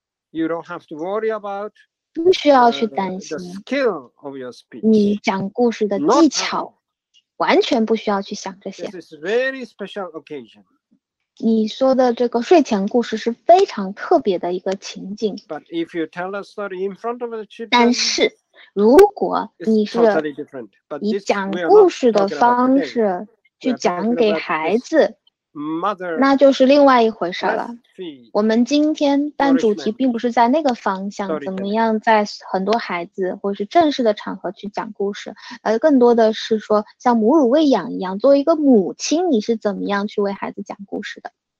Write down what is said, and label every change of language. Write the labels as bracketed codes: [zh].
[en] You don't have to worry about [zh] 不需要去担心 [en] the skill of your speech. [zh] 你讲故事的技巧完全不需要去想这些 [en] This is very special occasion. [zh] 你说的这个睡前故事是非常特别的一个情景 [en] But if you tell a story in front of the children, [zh] 但是如果你是以讲故事的方式去讲给孩子那就是另外一回事了。我们今天但主题并不是在那个方向怎么样在很多孩子或是正式的场合去讲故事而更多的是说像母乳喂养一样作为一个母亲你是怎么样去为孩子讲故事的。